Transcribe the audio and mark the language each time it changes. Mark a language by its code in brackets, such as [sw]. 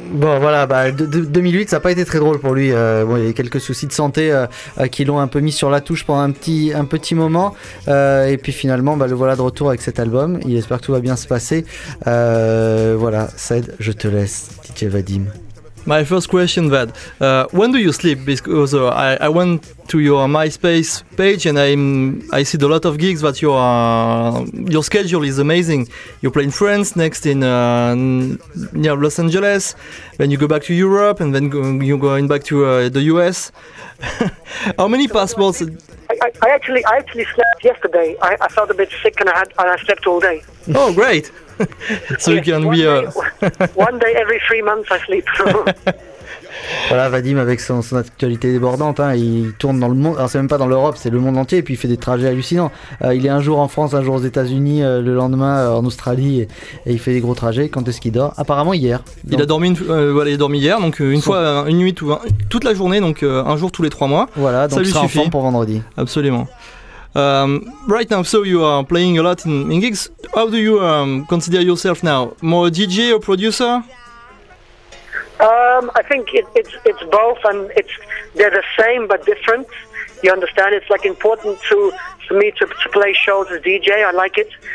[fr] Bon voilà, bah, 2008 ça n'a pas été très drôle pour lui, bon, il y a quelques soucis de santé qui l'ont un peu mis sur la touche pendant un petit moment, et puis finalement bah, le voilà de retour avec cet album, il espère que tout va bien se passer. Voilà, Ced, je te laisse, DJ Vadim. [en] My first question, Vad, when do you sleep? Because I went to your MySpace page and I see a lot of gigs, but your schedule is amazing. You play in France, next in near Los Angeles, then you go back to Europe, and then you're going back to the US. How many passports? I actually slept yesterday. I felt a bit sick and I slept all day. Oh, great. So you can be one day every 3 months I sleep. [fr] Voilà, Vadim avec son actualité débordante, hein, il tourne dans le monde, alors c'est même pas dans l'Europe, c'est le monde entier, et puis il fait des trajets hallucinants. Il est un jour en France, un jour aux États-Unis, le lendemain en Australie, et il fait des gros trajets. Quand est-ce qu'il dort? Apparemment hier. Donc, il a dormi hier, une nuit toute la journée, donc un jour tous les 3 mois. Voilà, donc il sera en forme pour vendredi. Absolument. [en] Right now, so you are playing a lot in gigs. How do you consider yourself now? More DJ or producer? I think it's both, and they're the same but different. You understand? It's like important for me to play shows as DJ. I like it.